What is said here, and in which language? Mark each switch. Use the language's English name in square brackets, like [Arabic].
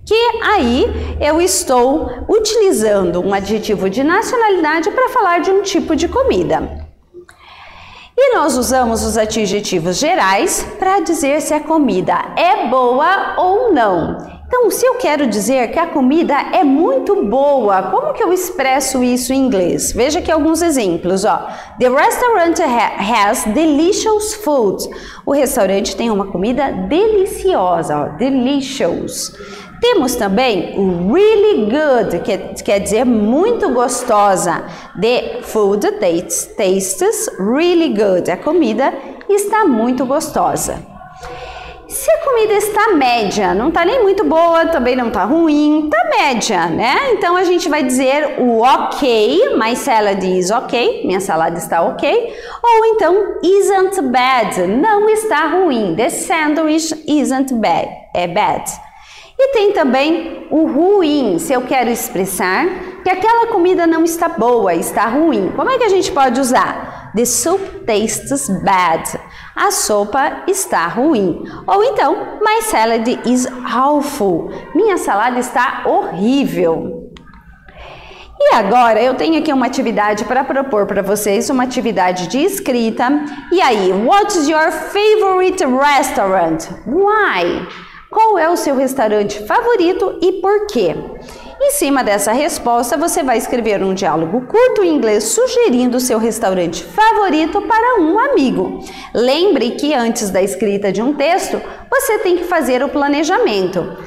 [Portuguese] Que aí eu estou utilizando um adjetivo de nacionalidade para falar de um tipo de comida. E nós usamos os adjetivos gerais para dizer se a comida é boa ou não. Então, se eu quero dizer que a comida é muito boa, como que eu expresso isso em inglês? Veja aqui alguns exemplos, ó. [English] The restaurant has delicious food. [Portuguese] O restaurante tem uma comida deliciosa, ó. Delicious. Temos também o really good, que quer dizer muito gostosa. [English] The food tastes really good. [Portuguese] A comida está muito gostosa. Se a comida está média, não está nem muito boa, também não está ruim, está média, né? Então a gente vai dizer o ok, [English] my salad is ok, [Portuguese] minha salada está ok. Ou então isn't bad, não está ruim. [English] The sandwich isn't bad, [Portuguese] é bad. E tem também o ruim, se eu quero expressar que aquela comida não está boa, está ruim. Como é que a gente pode usar? [English] The soup tastes bad. [Portuguese] A sopa está ruim. Ou então, [English] my salad is awful. [Portuguese] Minha salada está horrível. E agora eu tenho aqui uma atividade para propor para vocês, uma atividade de escrita. E aí, [English] what's your favorite restaurant? Why? [Portuguese] Qual é o seu restaurante favorito e por quê? Em cima dessa resposta, você vai escrever um diálogo curto em inglês sugerindo o seu restaurante favorito para um amigo. Lembre que antes da escrita de um texto, você tem que fazer o planejamento.